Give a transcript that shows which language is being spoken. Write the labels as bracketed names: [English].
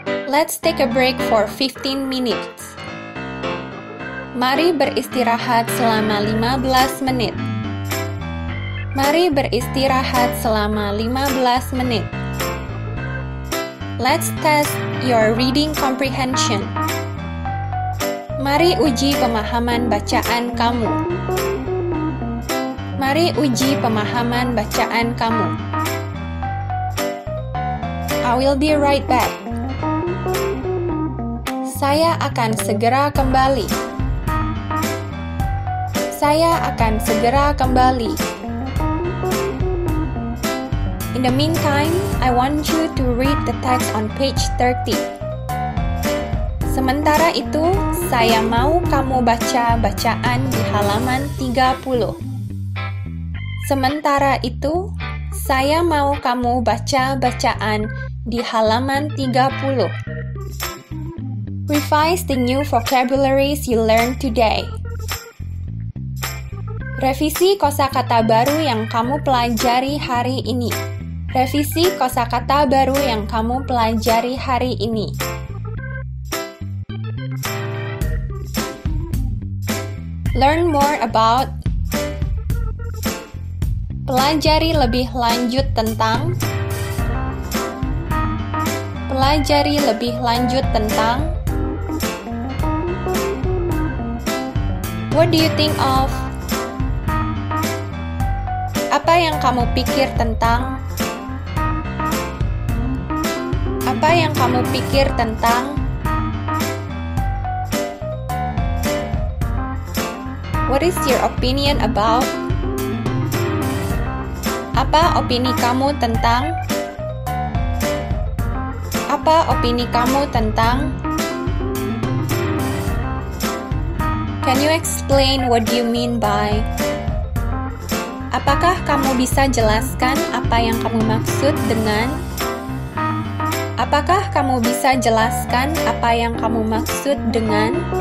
[English] Let's take a break for 15 minutes. [Indonesian] Mari beristirahat selama 15 menit. Mari beristirahat selama 15 menit. [English] Let's test your reading comprehension. [Indonesian] Mari uji pemahaman bacaan kamu. Mari uji pemahaman bacaan kamu. [English] I will be right back. [Indonesian] Saya akan segera kembali. Saya akan segera kembali. [English] In the meantime, I want you to read the text on page 30. [Indonesian] Sementara itu, saya mau kamu baca bacaan di halaman 30. Sementara itu, saya mau kamu baca bacaan di halaman 30. [English] Revise the new vocabularies you learned today. [Indonesian] Revisi kosakata baru yang kamu pelajari hari ini. Revisi kosakata baru yang kamu pelajari hari ini. [English] Learn more about. [Indonesian] Pelajari lebih lanjut tentang. Pelajari lebih lanjut tentang. [English] What do you think of? [Indonesian] Apa yang kamu pikir tentang? Apa yang kamu pikir tentang? [English] What is your opinion about? [Indonesian] Apa opini kamu tentang? Apa opini kamu tentang? [English] Can you explain what you mean by? [Indonesian] Apakah kamu bisa jelaskan apa yang kamu maksud dengan? Apakah kamu bisa jelaskan apa yang kamu maksud dengan?